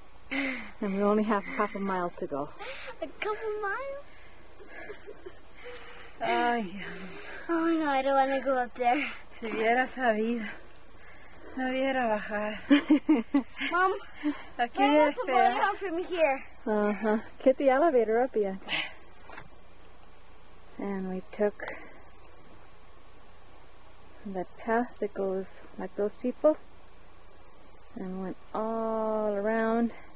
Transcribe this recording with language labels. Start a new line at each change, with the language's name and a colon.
English: And we only have half a mile to go. A couple miles? Ay, yeah. Oh no, I don't want to go up there.
Spanish: Si hubiera sabido, no hubiera bajar.
English: Mom,
Spanish: aquí
English: I have to go down from here. Uh-huh. Get the elevator up, yeah. And we took the path that goes like those people and went all around.